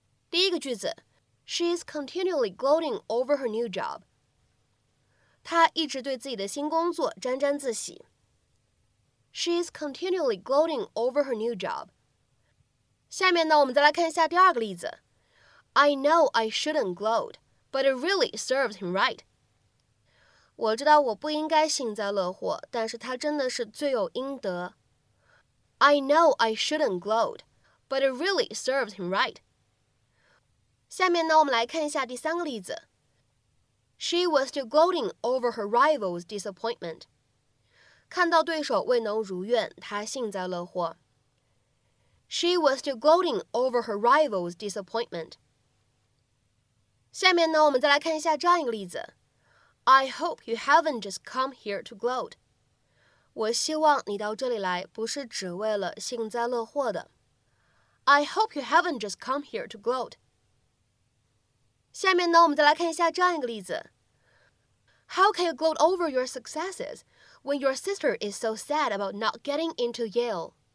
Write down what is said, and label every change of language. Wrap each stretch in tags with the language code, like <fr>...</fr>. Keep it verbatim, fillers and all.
<zh>第一个句子</zh> <en>She is continually gloating over her new job</en> <zh>她一直对自己的新工作沾沾自喜 She is continually gloating over her new job下面呢，我们再来看一下第二个例子。</zh> <en>I know I shouldn't gloat, but it really serves him right.</en> <zh>我知道我不应该幸灾乐祸，但是他真的是罪有应得。</zh> <en>I know I shouldn't gloat, but it really serves him right.</en> <zh>下面呢，我们来看一下第三个例子。</zh> <en>She was still gloating over her rival's disappointment.</en> <zh>看到对手未能如愿，她幸灾乐祸。</zh> <en>She was still gloating over her rival's disappointment.</en> <zh>下面呢，我们再来看一下这样一个例子。</zh> <en>I hope you haven't just come here to gloat.</en> <zh>我希望你到这里来不是只为了幸灾乐祸的。</zh> <en>I hope you haven't just come here to gloat.</en> <zh>下面呢，我们再来看一下这样一个例子。</zh> <en>How can you gloat over your successes when your sister is so sad about not getting into Yale?</en>